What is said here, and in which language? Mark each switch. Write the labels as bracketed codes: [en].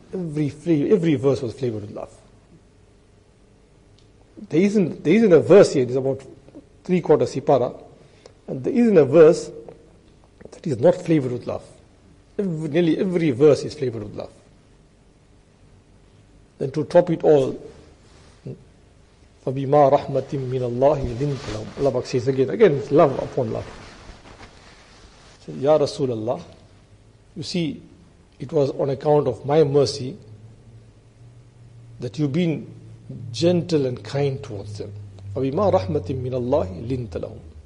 [en] Every verse was flavored with love. There isn't a verse here. It's about three quarters sipara. And there isn't a verse that is not flavored with love. Nearly every verse is flavored with love. Then to top it all, [ar] فَبِمَا رَحْمَةٍ مِّنَ اللَّهِ لِنْتَ لَهُمْ. [en] Allah Pak says again, it's love upon love. So, Ya Rasulallah, you see, it was on account of my mercy that you've been gentle and kind towards them. [ar] فَبِمَا رَحْمَةٍ مِّنَ اللَّهِ لِنْتَ لَهُمْ.